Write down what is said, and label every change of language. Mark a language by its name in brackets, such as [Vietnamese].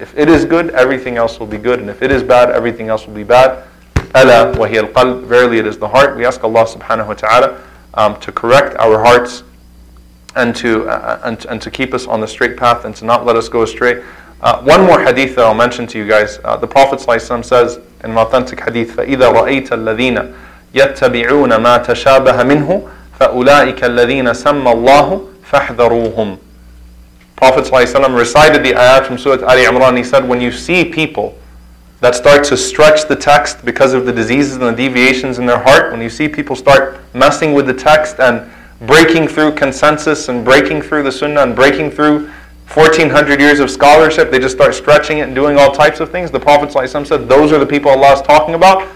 [English] If it is good, everything else will be good. And if it is bad, everything else will be bad. Ala wa hiya al-qalb. Verily it is the heart. We ask Allah subhanahu wa ta'ala to correct our hearts and to keep us on the straight path and to not let us go astray. One more hadith that I'll mention to you guys. The Prophet ﷺ says in an authentic hadith, [Arabic] فَإِذَا رَأَيْتَ الَّذِينَ يَتَّبِعُونَ مَا تَشَابَهَ مِنْهُ فَأُولَٰئِكَ الَّذِينَ سَمَّ اللَّهُ فَاحْذَرُوهُمْ. [English] Prophet ﷺ recited the ayat from Surah Ali Imran. He said, when you see people that start to stretch the text because of the diseases and the deviations in their heart, when you see people start messing with the text and breaking through consensus and breaking through the sunnah and breaking through 1400 years of scholarship, they just start stretching it and doing all types of things. The Prophet ﷺ said, those are the people Allah is talking about.